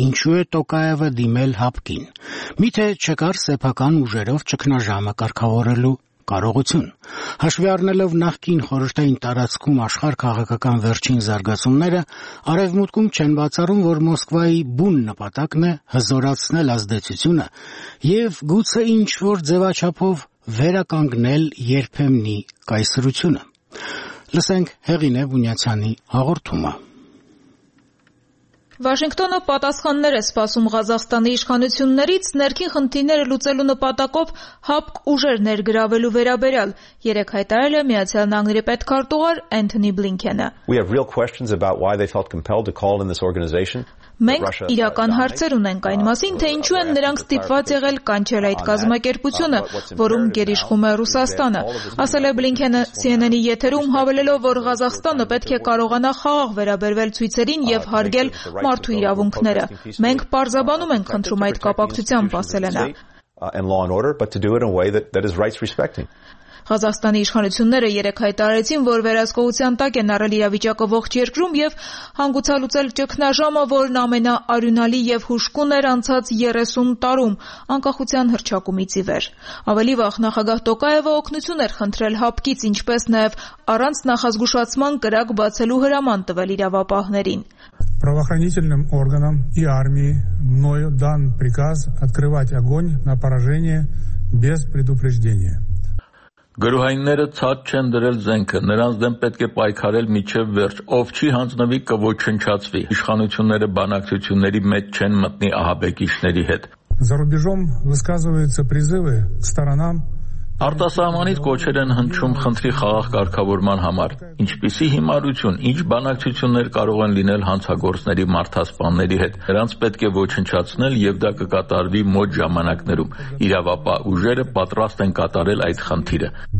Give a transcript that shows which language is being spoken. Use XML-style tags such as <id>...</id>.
<hy>Ինչու է Տոկաևը դիմել Հապկին։ Միթե չկար սեփական ուժերով ճգնաժամը կարգավորելու կարողություն։ Հաշվի առնելով նախկին խորհրդային տարածքում աշխարհ քաղաքական վերջին զարգացումները, արևմուտքում չեն բացառում, որ Մոսկվայի բուն նպատակն է հզորացնել ազդեցությունը և գուցե ինչ-որ ձևաչափով վերականգնել երբեմնի կայսրությունը։ Լսենք Հեղինե Բունյացյանի հաղորդումը։ Վաշինգտոնը պատասխաններ է սպասում Ղազախստանի իշխանություններից ներքին խնդիրները լուծելու նպատակով Հապկ ուժեր ներգրավելու վերաբերյալ, երեք հայտարել է Միացյալ Նահանգների պետքարտուղար Էնթոնի Բլինքենը։</hy> <en>We have real questions about why they felt compelled to call in this organization.</en> <hy>Մենք իրական հարցեր ունենք այն մասին, թե ինչու են նրանք ստիպված եղել կանչել այդ կազմակերպությունը, որում գերիշխում է Ռուսաստանը։ Ասել է Բլինքենը CNN-ի եթերում, հավելելով, որ Ղազախստանը պետք է կարողանա խաղաղ վերաբերվել ցույցերին և հարգել մարդու իրավունքները։ Մենք պարզաբանում ենք խնդրում այդ կապակցությամբ, ասել է նա։ Ղազախստանի իշխանությունները երեք հայտարարեցին, որ վերահսկողության տակ են առել իրավիճակը ողջ երկրում և հանգուցալուծել ճգնաժամը, որն ամենաարյունալի և հուշկուն էր անցած 30 տարում անկախության հռչակումից ի վեր։ Ավելի վաղ նախագահ Տոկաևը օգնություն էր խնդրել Հապկից, ինչպես նաև առանց նախազգուշացման կրակ բացելու հրաման տվել իրավապահներին։</hy> <ru>Правоохранительным органам и армии мною дан приказ открывать огонь на поражение без предупреждения.</ru> <hy>Գրուհայինները ցած չեն դրել զենքը, նրանց դեմ պետք է պայքարել միջև վերջ, ով չի հանձնվի կոչնչացվի։ Իշխանությունները բանակցությունների մեջ չեն մտնի ահաբեկիչների հետ։</hy> <ru>За рубежом высказываются призывы к сторонам.</ru> <hy>Արտասահմանից կոչեր են հնչում խնդրի խաղաղ կարգավորման համար։ Ինչպիսի հիմարություն, ինչ բանակցություններ կարող են լինել հանցագործների մարդասպանների հետ։ Նրանց պետք է ոչնչացնել և դա կկատարվի մոտ ժամանակներում։ Իրավապահ ուժերը պատրաստ են կատարել այդ խնդիրը։</hy>